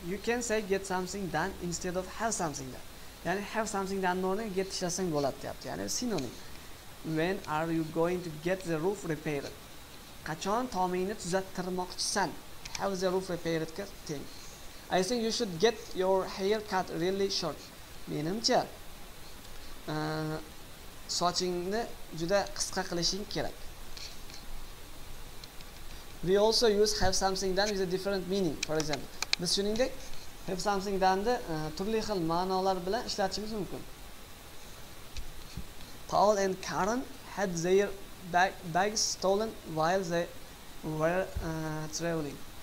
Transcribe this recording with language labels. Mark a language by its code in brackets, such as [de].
[en] You can say get something done instead of have something done. [uz] Ya'ni have something done'ni o'rniga get ishlasang bo'ladi, deyapti. Ya'ni sinonim. [en] When are you going to get the roof repaired? [uz] Qachon tomingni tuzattirmoqchisan? [en] Have the roof repaired [uz] ka teng. [en] I think you should get your hair cut really short. [uz] Menimcha sochingni juda qisqa qilishing kerak. [en] We also use have something done with a different meaning. For example, [uz] biz shuningdek have something done'ni turli xil ma'nolar bilan ishlatishimiz mumkin. [en] Paul and Karen had their bags stolen while they were traveling.